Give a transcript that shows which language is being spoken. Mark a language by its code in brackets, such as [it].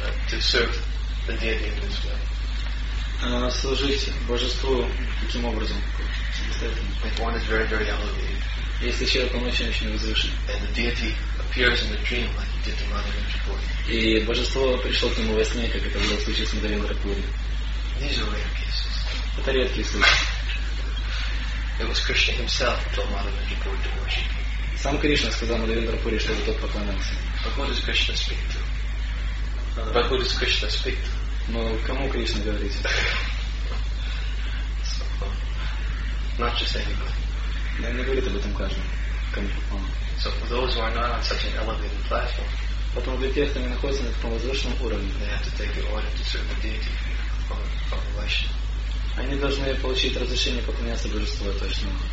[en] To serve the deity in this way. [ru] Служить божеству таким образом. [en] If one is very, very elevated. [ru] Если человек очень, очень возвышен. [en] And the deity appears in the dream like he did to Mother Manjushri. [ru] И божество пришло к нему во сне, как это было в случае с Мадхавой Манджушри. [en] These are rare cases. [ru] Это редкие случаи. [en] It was Krishna himself who told Mother Manjushri to worship. [ru] Сам Кришна сказал Мадхавой Манджушри, чтобы тот поклонялся. [en] But who does Krishna speak to? But who does Krishna speak to? [ru] Но кому Кришна говорит? [en] Not just anybody. [ru] Да, не говорит об этом каждому. [en] So for those who are not on such an elevated platform, [ru] потом для тех, кто не находится на таком возвышенном уровне, [en] they have to take the order to serve the deity from the Vaishnava. [ru] Они должны получить разрешение поклоняться божеству точно.